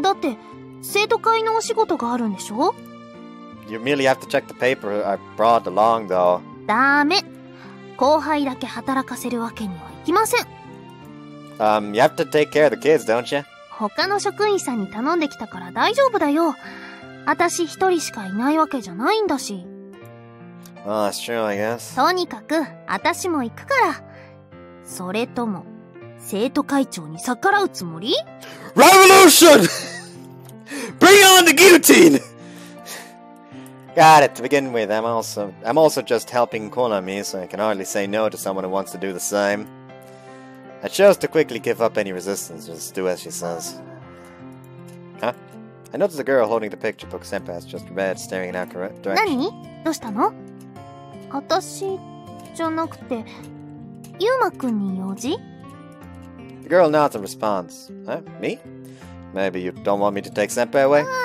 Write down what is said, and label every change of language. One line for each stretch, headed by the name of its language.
Japanese: だって、生徒会のお仕事があるんでしょ?
English: You merely have to check the paper I brought along, though.
Japanese: ダメ。後輩だけ働かせるわけにはいきません。
English: You have to take care of the kids, don't you?
Japanese: 他の職員さんに頼んできたから大丈夫だよ。私一人しかいないわけじゃないんだし。
English: Well, that's true, I guess.
Japanese: とにかく、私も行くから。それとも、生徒会長に逆らうつもり?
English: Revolution! Bring on the guillotine! Got it. To begin with, I'm also just helping Konami, so I can hardly say no to someone who wants to do the same. I chose to quickly give up any resistance, just do as she says. Huh? I notice the girl holding the picture book Senpai has just read, staring in our direction.
Japanese: 何?どうしたの? 私じゃなくて、ユーマ君に用事?
English: The girl nods and responds. Huh? Me? Maybe you don't want me to take Senpai away?